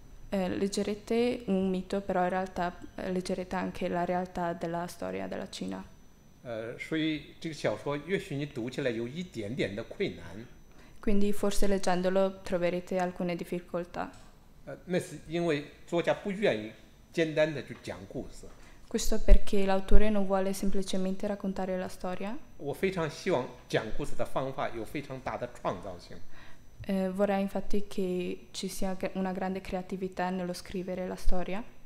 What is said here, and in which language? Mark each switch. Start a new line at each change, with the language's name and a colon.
Italian: Leggerete un mito, però in realtà leggerete anche la realtà della storia della Cina.
Chinese: 所以这个小说，也许你读起来有一点点的困难。
Italian: Quindi forse leggendolo troverete alcune difficoltà.
Chinese: 那是因为作家不愿意简单的去讲故事。
Italian: Questo perché l'autore non vuole semplicemente raccontare la storia. Vorrei infatti che ci sia una grande creatività nello scrivere la storia.